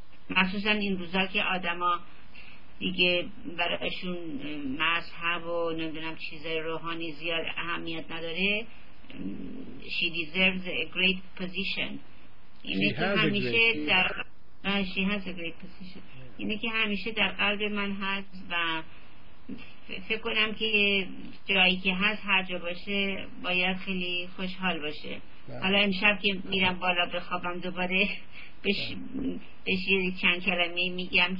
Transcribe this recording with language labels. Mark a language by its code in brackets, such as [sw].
[fa] مخصوصا این روزا که آدم ها دیگه برایشون مذهب و نمیدونم چیزای روحانی زیاد اهمیت نداره. [en] She deserves a great position. She has a great position. She has a great position. [fa] اینه که همیشه در قلب من هست و فکر کنم که جایی که هست هر جا باشه باید خیلی خوشحال باشه. حالا امشب که میرم بالا بخوابم دوباره بهش چند کلمه میگم.